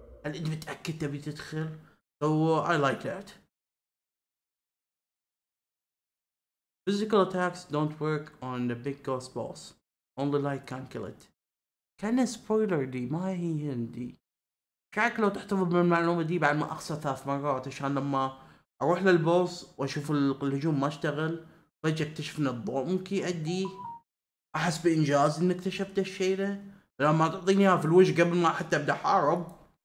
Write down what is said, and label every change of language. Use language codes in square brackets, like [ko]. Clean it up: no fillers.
[ar] هل انت متأكد تبي تدخل؟ [en] so I like that. Physical attacks don't work on the big ghost boss. Only light can kill it. [ar] كان spoiler دي ما هي هندي. كاك لو تحتفظ بالمعلومة دي بعد ما أخسر 3 مرات، عشان لما أروح للبوس وأشوف الهجوم ما اشتغل فجأة اكتشف إن الضوء ممكن يأدي، أحس بإنجاز إن اكتشفت الشيء ده. لما تعطيني إياها في الوجه قبل ما حتى أبدأ حارب